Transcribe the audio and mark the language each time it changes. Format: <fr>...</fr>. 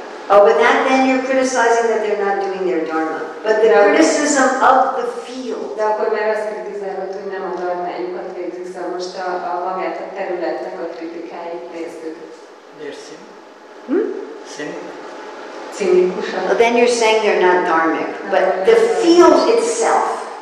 <en>Oh, but that then you're criticizing that they're not doing their dharma. But the criticism of the field.</en> <hu>De akkor már azt kritizálod, hogy nem a dharmájukat végzik, szóval most a magát a területnek a kritikáit nézzük.</hu> <en>Well, then you're saying they're not dharmic, but the field itself.</en>